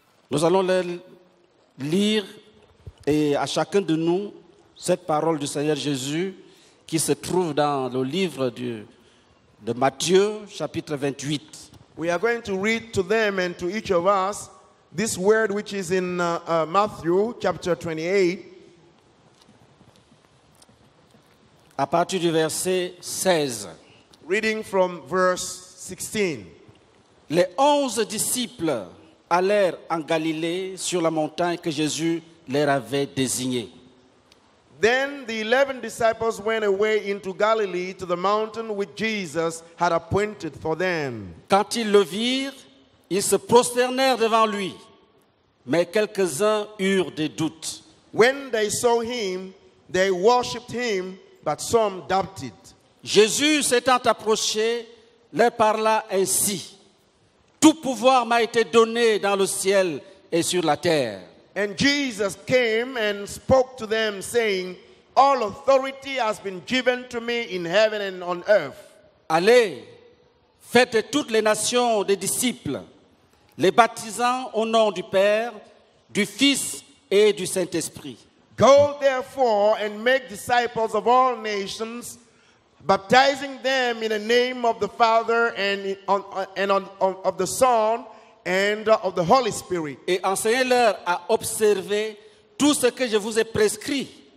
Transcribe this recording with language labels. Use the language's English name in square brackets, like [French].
[French] Nous allons lire et à chacun de nous cette parole du Seigneur Jésus qui se trouve dans le livre de Matthieu, chapitre 28. [English] We are going to read to them and to each of us this word which is in Matthew, chapter 28. [French] À partir du verset 16. [English] Reading from verse 16. [French] Les onze disciples allèrent en Galilée sur la montagne que Jésus leur avait désignée. [English] Then the 11 disciples went away into Galilee to the mountain which Jesus had appointed for them. [French] Quand ils le virent, ils se prosternèrent devant lui, mais quelques-uns eurent des doutes. [English] When they saw him, they worshipped him. But some doubted. [French] Jésus s'étant approché, leur parla ainsi. Tout pouvoir m'a été donné dans le ciel et sur la terre. [English] And Jesus came and spoke to them, saying, All authority has been given to me in heaven and on earth. [French] Allez, faites toutes les nations des disciples, les baptisant au nom du Père, du Fils et du Saint-Esprit. [English] Go therefore and make disciples of all nations, baptizing them in the name of the Father and of the Son and of the Holy Spirit. [French] Et enseignez-leur à observer tout ce que je vous ai prescrit.